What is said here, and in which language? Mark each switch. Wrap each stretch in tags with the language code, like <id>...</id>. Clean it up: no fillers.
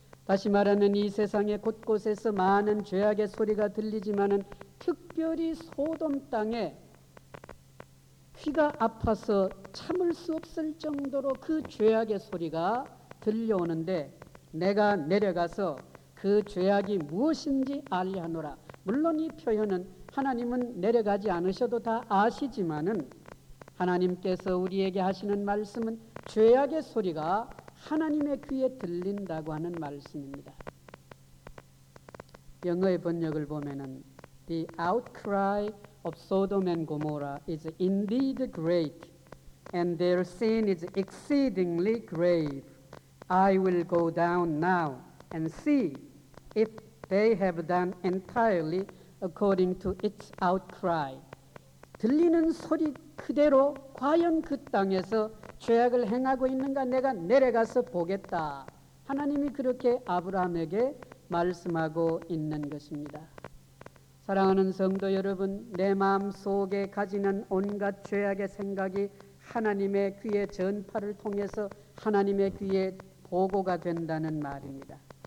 <ko>다시 말하면 이 세상의 곳곳에서 많은 죄악의 소리가 들리지만은 특별히 소돔 땅에 귀가 아파서 참을 수 없을 정도로 그 죄악의 소리가 들려오는데 내가 내려가서 그 죄악이 무엇인지 알려하노라. 물론 이 표현은 하나님은 내려가지 않으셔도 다 아시지만은 하나님께서 우리에게 하시는 말씀은 죄악의 소리가 하나님의 귀에 들린다고 하는 말씀입니다.</ko> <en>영어의 번역을 보면은 The outcry of Sodom and Gomorrah is indeed great, and their sin is exceedingly grave. I will go down now and see if they have done entirely according to its outcry.</en> <ko>들리는 소리 그대로 과연 그 땅에서 죄악을 행하고 있는가 내가 내려가서 보겠다. 하나님이 그렇게 아브라함에게 말씀하고 있는 것입니다. 사랑하는 성도 여러분, 내 마음 속에 가지는 온갖 죄악의 생각이 하나님의 귀에 전파를 통해서 하나님의 귀에 보고가 된다는 말입니다.</ko>